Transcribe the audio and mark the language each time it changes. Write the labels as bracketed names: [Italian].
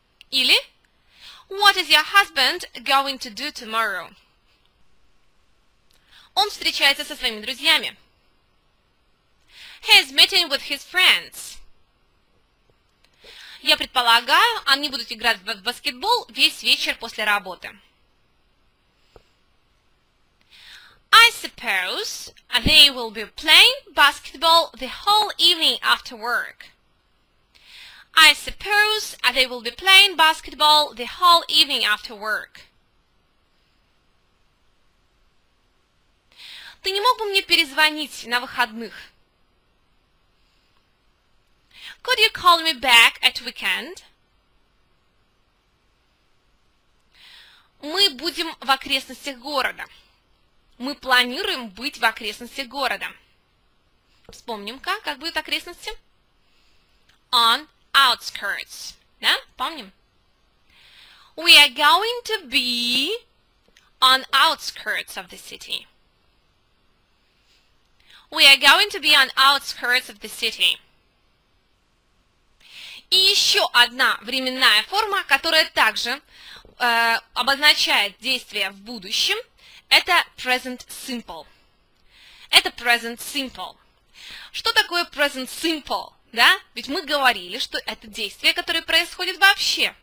[Russian] Или [English] What is your husband going to do tomorrow? [Russian] Он встречается со своими друзьями. [English] He is meeting with his friends. [Russian] Я предполагаю, они будут играть в баскетбол весь вечер после работы. [English] I suppose they will be playing basketball the whole evening after work. I suppose they will be playing basketball the whole evening after work. [Russian] Ты не мог бы мне перезвонить на выходных? [English] Could you call me back at weekend? [Russian] Мы будем в окрестностях города. Мы планируем быть в окрестностях города. Вспомним-ка, как будут окрестности? [English] On outskirts. [Russian] Да, помним. [English] We are going to be on outskirts of the city. We are going to be on outskirts of the city. [Russian] И еще одна временная форма, которая также обозначает действие в будущем, это present simple. Это present simple. Что такое present simple? Да? Ведь мы говорили, что это действие, которое происходит вообще.